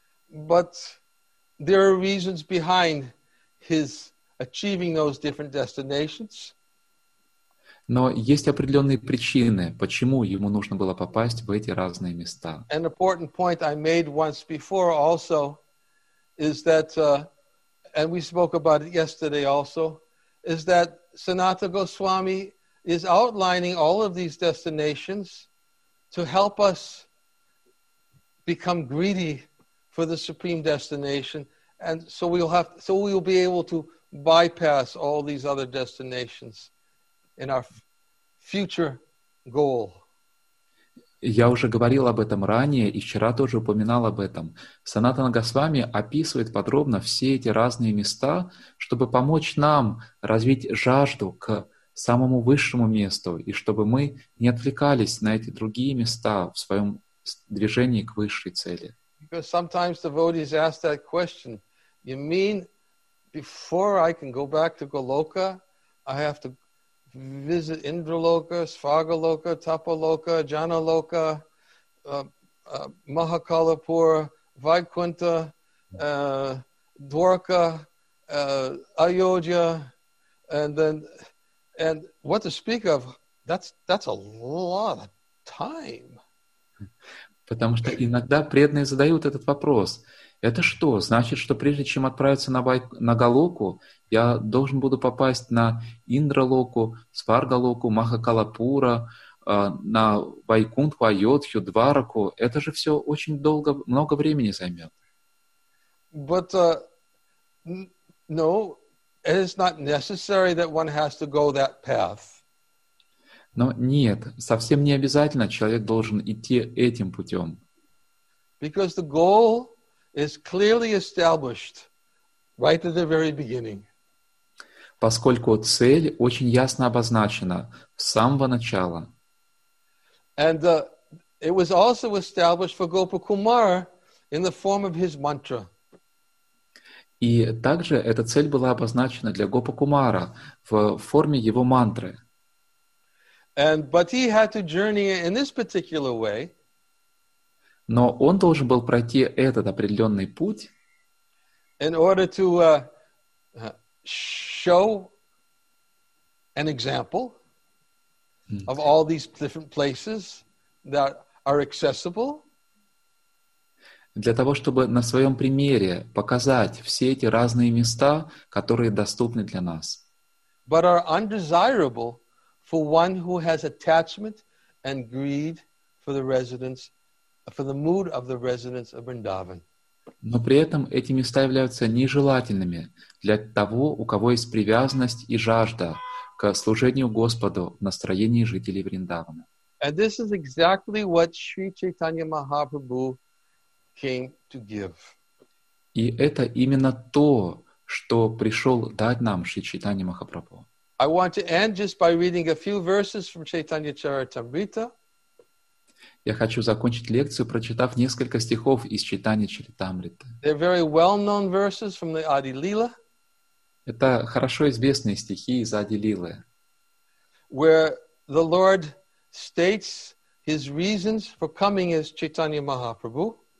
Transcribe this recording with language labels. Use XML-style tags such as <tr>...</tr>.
<en>But there are reasons behind his achieving those different destinations.</en> <ru>Но есть определенные причины, почему ему нужно было попасть в эти разные места.</ru> <en>An important point I made once before also is that, and we spoke about it yesterday also, is that Sanatana Goswami is outlining all of these destinations to help us become greedy for the supreme destination, and so we'll be able to bypass all these other destinations in our future goal.</en> <ru>Я уже говорил об этом ранее и вчера тоже упоминал об этом. Санатана Госвами описывает подробно все эти разные места, чтобы помочь нам развить жажду к самому высшему месту и чтобы мы не отвлекались на эти другие места в своем движении к высшей цели.</ru> <en>Because sometimes devotees ask that question. You mean before I can go back to Goloka, I have to visit Indraloka, Svargaloka, Tapaloka, Janaloka, Mahakalapur, Vaikuntha, Dwarka, Ayodhya, and what to speak of, that's a lot of time.</en> <ru>Потому что иногда преданные задают этот вопрос. Это что? Значит, что прежде чем отправиться на Голоку, я должен буду попасть на Индралоку, Сваргалоку, Махакалапура, на Вайкунтху, Айодхью, Двараку. Это же все очень долго, много времени займет.</ru> <en>But, no, It is not necessary that one has to go that path.</en> <ru>Но нет, совсем не обязательно человек должен идти этим путем.</ru> <en>Because the goal is clearly established right at the very beginning.</en> <ru>Поскольку цель очень ясно обозначена с самого начала.</ru> <en>And it was also established for Gopakumara in the form of his mantra.</en> <ru>И также эта цель была обозначена для Гопакумара в форме его мантры.</ru> <en>And, but he had to journey in this particular way.</en> <ru>Но он должен был пройти этот определенный путь</ru> <en>in order to show an example of all these different places that are accessible.</en> <ru>Для того, чтобы на своем примере показать все эти разные места, которые доступны для нас.</ru> <en>But are undesirable for one who has attachment and greed for the residents, for the mood of the residents of Vrindavan.</en> <ru>Но при этом эти места являются нежелательными для того, у кого есть привязанность и жажда к служению Господу в настроении жителей Вриндавана.</ru> <en>And this is exactly what Sri Chaitanya Mahaprabhu came to give.</en> <ru>И это именно то, что пришел дать нам Шри Чайтанья Махапрабху.</ru> <en>I want to end just by reading a few verses from Chaitanya Charitamrita.</en> <ru>Я хочу закончить лекцию, прочитав несколько стихов из Чайтанья Чаритамриты.</ru> <en>They're very well-known verses from the Adi Lila.</en> <ru>Это хорошо известные стихи из Адди Лилы.</ru> <en>Where the Lord states his reasons for coming as Chaitanya Mahaprabhu.</en>